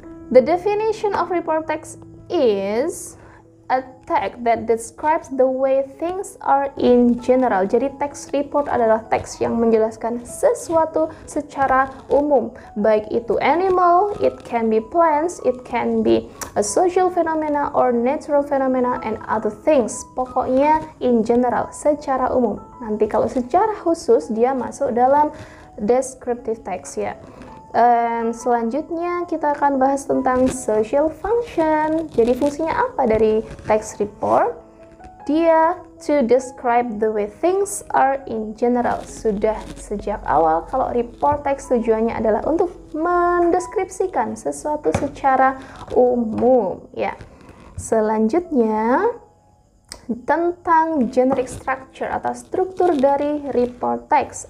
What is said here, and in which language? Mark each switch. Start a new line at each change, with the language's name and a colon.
English: The definition of report text is a text that describes the way things are in general.
Indonesian: Jadi teks report adalah teks yang menjelaskan sesuatu secara umum. Baik itu
English: animal, it can be plants, it can be a social phenomena or natural phenomena and other things.
Indonesian: Pokoknya
English: in general,
Indonesian: secara umum. Nanti kalau secara khusus dia masuk dalam descriptive text ya. And selanjutnya kita akan bahas tentang social function. Jadi fungsinya apa dari text report? Dia
English: to describe the way things are in general.
Indonesian: Sudah sejak awal kalau report text tujuannya adalah untuk mendeskripsikan sesuatu secara umum ya. Selanjutnya tentang generic structure atau struktur dari report text.